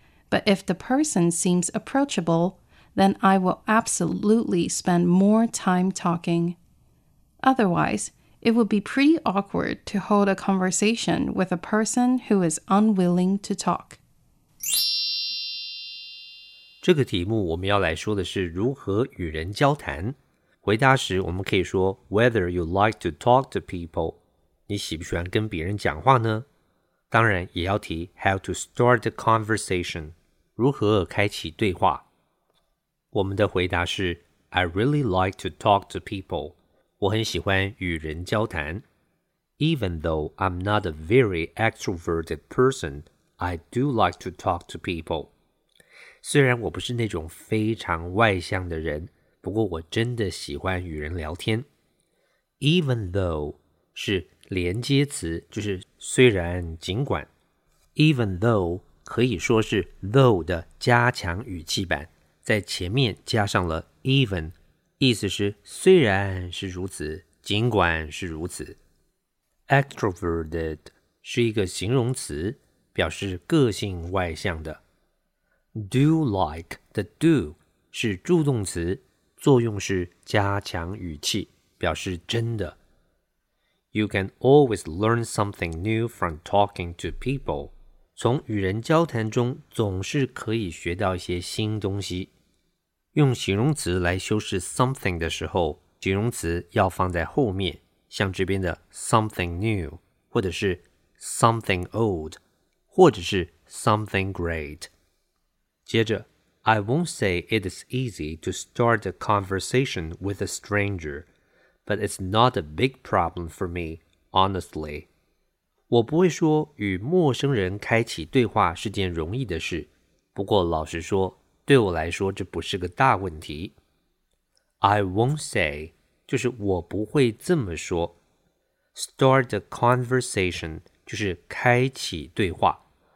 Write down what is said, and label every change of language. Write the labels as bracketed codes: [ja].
[en] But if the person seems approachable, then I will absolutely spend more time talking. Otherwise, it would be pretty awkward to hold a conversation with a person who is unwilling to talk. [zh] 这个题目我们要来说的是如何与人交谈。回答时我们可以说 [en] whether you like to talk to people, [zh] 你喜不喜欢跟别人讲话呢？当然也要提 [en] how to start the conversation, [zh] 如何开启对话。我们的回答是 [en] I really like to talk to people, [zh] 我很喜欢与人交谈。 [en] Even though I'm not a very extroverted person, I do like to talk to people. [zh] 虽然我不是那种非常外向的人，不过我真的喜欢与人聊天。 Even though 是连接词，就是虽然尽管。 Even though 可以说是 though 的加强语气版，在前面加上了 even， 意思是虽然是如此，尽管是如此。 Extroverted 是一个形容词，表示个性外向的。 Do like 的 do 是助动词，作用是加强语气，表示真的。 [en] You can always learn something new from talking to people. [zh] 从与人交谈中总是可以学到一些新东西。用形容词来修饰 something 的时候，形容词要放在后面，像这边的 something new, 或者是 something old, 或者是 something great。接着 [en] I won't say it is easy to start a conversation with a stranger, but it's not a big problem for me, honestly. [zh] 我不会说与陌生人开启对话是件容易的事，不过老实说，对我来说这不是个大问题。 [en] I won't say, [zh] 就是我不会这么说。 [en] Start a conversation, [zh] 就是开启对话。